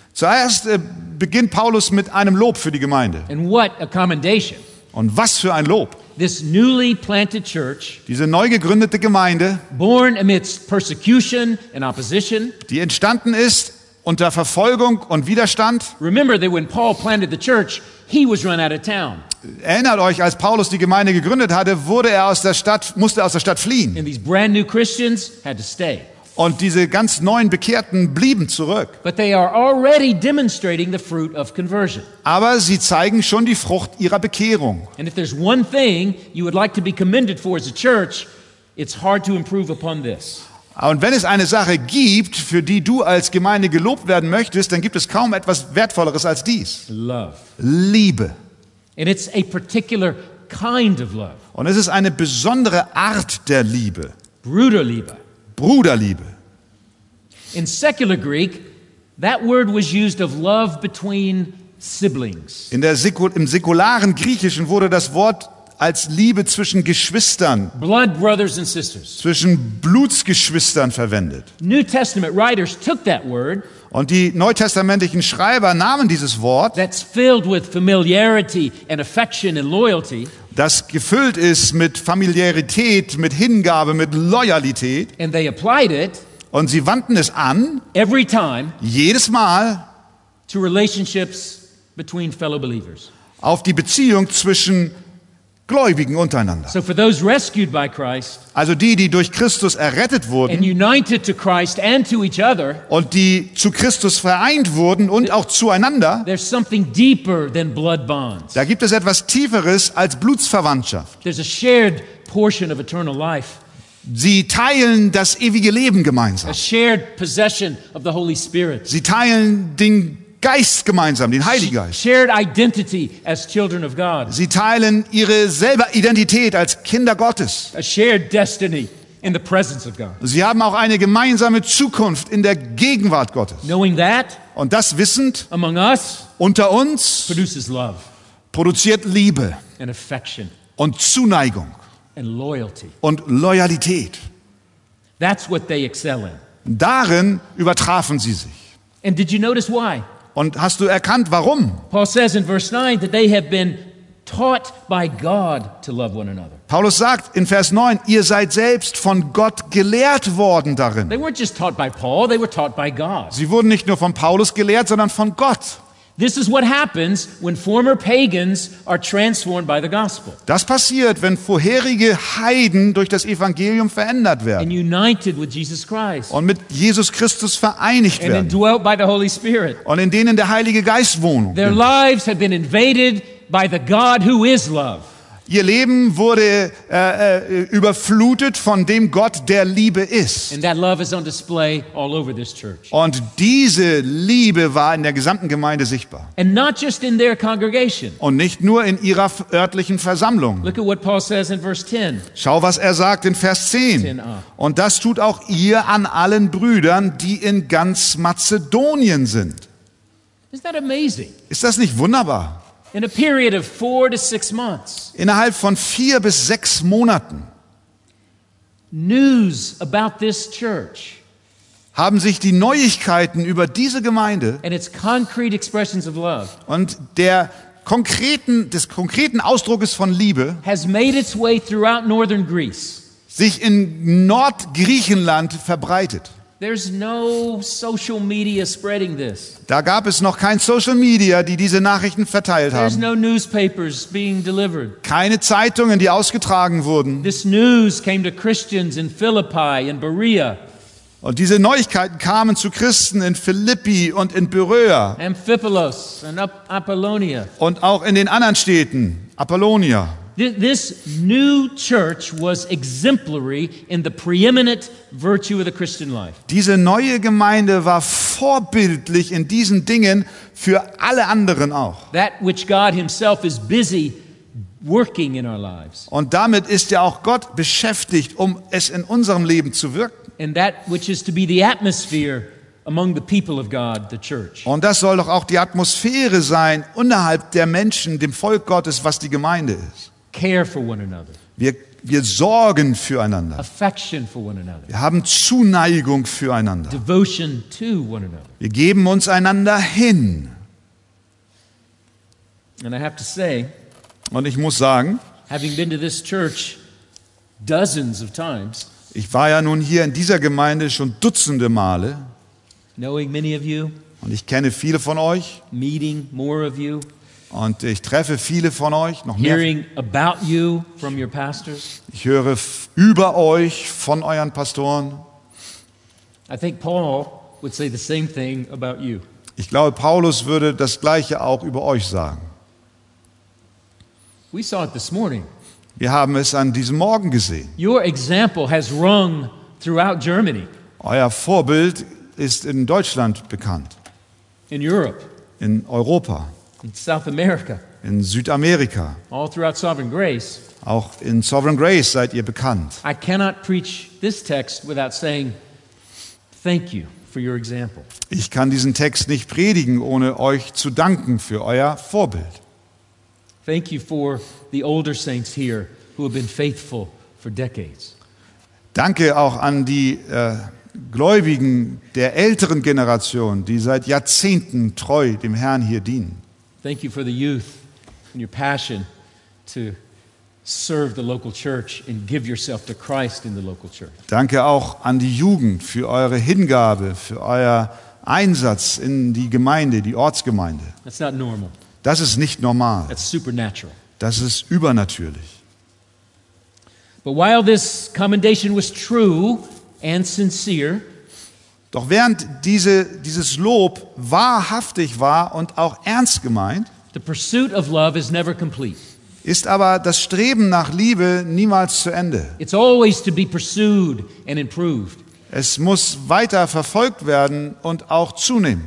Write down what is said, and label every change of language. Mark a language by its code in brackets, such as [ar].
[de] Zuerst beginnt Paulus mit einem Lob für die Gemeinde. [en] And what a commendation. [de] Und was für ein Lob. [en] this newly planted church, [de] diese neu gegründete Gemeinde, [en] born amidst persecution and opposition, [de] die entstanden ist unter Verfolgung und Widerstand. [en] Remember that when Paul planted the church, he was run out of town. [de] Erinnert euch, als Paulus die Gemeinde gegründet hatte, musste er aus der Stadt fliehen. [en] And these brand new Christians had to stay. [de] Und diese ganz neuen Bekehrten blieben zurück. [en] But they are already demonstrating the fruit of conversion. [de] Aber sie zeigen schon die Frucht ihrer Bekehrung. [en] And if there's one thing you would like to be commended for as a church, it's hard to improve upon this. [de] Und wenn es eine Sache gibt, für die du als Gemeinde gelobt werden möchtest, dann gibt es kaum etwas Wertvolleres als dies. [en] Love. [de] Liebe. [en] And it's a particular kind of love. [de] Und es ist eine besondere Art der Liebe. Bruderliebe. Bruderliebe. [en] In secular Greek, that word was used of love between siblings. [de] Im säkularen Griechischen wurde das Wort als Liebe zwischen Geschwistern, [en] blood brothers and sisters, [de] zwischen Blutsgeschwistern verwendet. [en] New Testament writers took that word, [de] und die neutestamentlichen Schreiber nahmen dieses Wort, [en] that's filled with familiarity and affection and loyalty, [de] das gefüllt ist mit Familiarität, mit Hingabe, mit Loyalität, [en] and they applied it, [de] und sie wandten es an, [en] every time, [de] jedes Mal, [en] to relationships between fellow believers, [de] auf die Beziehung zwischen Gläubigen untereinander. [en] So for those rescued by Christ, [de] also die, die durch Christus errettet wurden, [en] and united to Christ and to each other, [de] und die zu Christus vereint wurden und auch zueinander, [en] there's something deeper than blood bonds. [de] Da gibt es etwas Tieferes als Blutsverwandtschaft. [en] There's a shared portion of eternal life. [de] Sie teilen das ewige Leben gemeinsam. [en] A shared possession of the Holy Spirit. [de] Sie teilen den Geist gemeinsam, den Heiligen Geist. [en] Shared identity as children of God. [de] Sie teilen ihre selber Identität als Kinder Gottes. [en] A shared destiny in the presence of God. [de] Sie haben auch eine gemeinsame Zukunft in der Gegenwart Gottes. [en] Knowing that, [de] und das wissend, [en] among us, [de] unter uns, [en] produces love, [de] produziert Liebe [en] and affection, [de] und Zuneigung [en] and loyalty, [de] und Loyalität. [en] That's what they excel in. [de] Darin übertrafen sie sich. [en] And did you notice why? [de] Und hast du erkannt, warum? [en] Paul says in verse 9 that they have been taught by God to love one another. [de] Paulus sagt in Vers 9, ihr seid selbst von Gott gelehrt worden darin. [en] They weren't just taught by Paul, they were taught by God. [de] Sie wurden nicht nur von Paulus gelehrt, sondern von Gott. [en] This is what happens when former pagans are transformed by the gospel. [de] Das passiert, wenn vorherige Heiden durch das Evangelium verändert werden. [en] And united with Jesus Christ. [de] Und mit Jesus Christus vereinigt werden. [en] And indwelt by the Holy Spirit. [de] Und in denen der Heilige Geist wohnt. [en] Their lives have been invaded by the God who is love. [de] Ihr Leben wurde überflutet von dem Gott, der Liebe ist. [en] And that love is on display all over this church. [de] Und diese Liebe war in der gesamten Gemeinde sichtbar. [en] And not just in their congregation. [de] Und nicht nur in ihrer örtlichen Versammlung. [en] Look at what Paul says in verse 10. [de] Schau, was er sagt in Vers 10. Und das tut auch ihr an allen Brüdern, die in ganz Mazedonien sind. [en] Isn't that amazing? [de] Ist das nicht wunderbar? [en] In a period of 4 to 6 months. [de] Innerhalb von 4 bis 6 Monaten. [en] News about this church. [de] Haben sich die Neuigkeiten über diese Gemeinde. [en] And its concrete expressions of love. [de] Und des konkreten Ausdrucks von Liebe. [en] Has made its way throughout northern Greece. [de] Sich in Nordgriechenland verbreitet. [en] There's no social media spreading this. [de] Da gab es noch kein Social Media, die diese Nachrichten verteilt haben. [en] There's no newspapers being delivered. [de] Keine Zeitungen, die ausgetragen wurden. [en] This news came to Christians in Philippi and Berea. [de] Und diese Neuigkeiten kamen zu Christen in Philippi und in Berea. [en] Amphipolis and Apollonia. [de] Und auch in den anderen Städten, Apollonia. [en] This new church was exemplary in the preeminent virtue of the Christian life. [de] Diese neue Gemeinde war vorbildlich in diesen Dingen für alle anderen auch. [en] That which God himself is busy working in our lives. [de] Und damit ist ja auch Gott beschäftigt, um es in unserem Leben zu wirken. [en] And that which is to be the atmosphere among the people of God, the church. [de] Und das soll doch auch die Atmosphäre sein unterhalb der Menschen, dem Volk Gottes, was die Gemeinde ist. [en] Care for one another. [de] Wir sorgen füreinander. [en] Affection for one another. [de] Wir haben Zuneigung füreinander. [en] Devotion to one another. [de] Wir geben uns einander hin. [en] And I have to say, [de] und ich muss sagen, [en] Having been to this church dozens of times. [de] Ich war ja nun hier in dieser Gemeinde schon dutzende Male. [en] Knowing many of you. [de] Und ich kenne viele von euch. [en] Meeting more of you. [de] Und ich treffe viele von euch, noch mehr. [en] Hearing about you from your pastors. [de] Ich höre über euch von euren Pastoren. [en] I think Paul would say the same thing about you. [de] Ich glaube, Paulus würde das Gleiche auch über euch sagen. [en] We saw it this morning. [de] Wir haben es an diesem Morgen gesehen. [en] Your example has rung throughout Germany. [de] Euer Vorbild ist in Deutschland bekannt. [en] In Europe. [de] In Europa. [en] In South America. [de] In Südamerika. [en] All throughout Sovereign Grace. [de] Auch in Sovereign Grace seid ihr bekannt. [en] I cannot preach this text without saying thank you for your example. [de] Ich kann diesen Text nicht predigen, ohne euch zu danken für euer Vorbild. [en] Thank you for the older saints here who have been faithful for decades. [de] Danke auch an die Gläubigen der älteren Generation, die seit Jahrzehnten treu dem Herrn hier dienen. [en] Thank you for the youth and your passion to serve the local church and give yourself to Christ in the local church. [de] Danke auch an die Jugend für eure Hingabe, für euer Einsatz in die Gemeinde, die Ortsgemeinde. [en] That's not normal. [de] Das ist nicht normal. [en] That's supernatural. [de] Das ist übernatürlich. [en] But while this commendation was true and sincere, [de] doch während dieses Lob wahrhaftig war und auch ernst gemeint, [en] the pursuit of love is never complete. [de] Ist aber das Streben nach Liebe niemals zu Ende. [en] It's always to be pursued and improved. [de] Es muss weiter verfolgt werden und auch zunehmen.